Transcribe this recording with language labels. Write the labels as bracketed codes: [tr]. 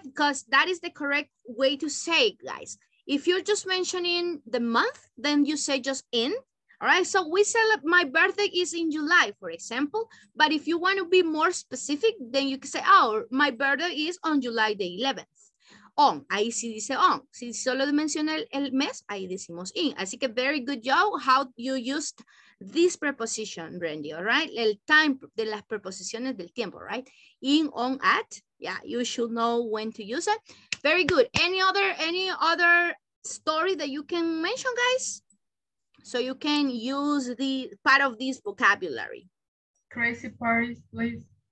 [en] Because that is the correct way to say it, guys. If you're just mentioning the month, then you say just in, All right, so we celebrate, my birthday is in July, for example, but if you want to be more specific, then you can say, oh, my birthday is on July the 11th. [es] On, ahí sí dice on. Si solo menciona el mes, ahí decimos in. Así que [en] very good job how you used this preposition, Brandy, all right? [es] El time de las preposiciones del tiempo, right? [en] In, on, at, yeah, you should know when to use it. Very good. Any other story that you can mention, guys? So you can use the part of this vocabulary. Crazy parties, please.